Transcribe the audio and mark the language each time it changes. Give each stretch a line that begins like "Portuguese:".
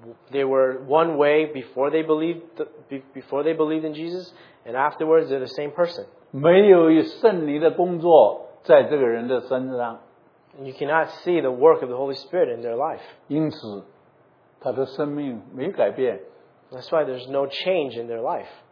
English: They were one way before they believed in Jesus, and afterwards they're the same person.
Chinese: 没有圣灵的工作在这个人的身上。
English: You cannot see the work of the Holy Spirit in their life.
Chinese: 因此，他的生命没改变。
English: That's why there's no change in their life.